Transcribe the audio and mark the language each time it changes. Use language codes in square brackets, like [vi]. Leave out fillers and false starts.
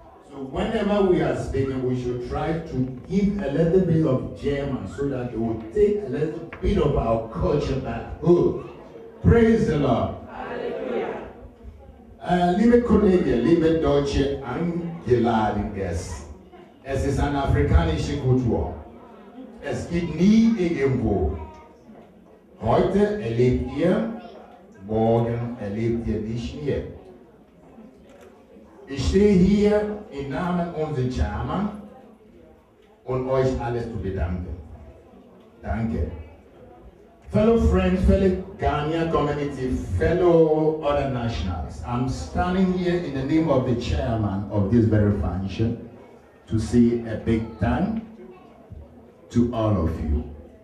[en] So whenever we are speaking, we should try to give a little bit of German so that they will take a little bit of our culture back. Oh, praise the Lord. Hallelujah. [de] Liebe Kollegen, liebe Deutsche eingeladen Gäste, es ist eine afrikanische Kultur. Es gibt nie irgendwo. Heute erlebt ihr, morgen erlebt ihr nicht mehr. Ich stehe hier im Namen unseres Chairman und euch alles zu bedanken. Danke. [en] Fellow friends, fellow Ghana community, fellow other nationals, I'm standing here in the name of the chairman of this very function to say a big thank to all of you.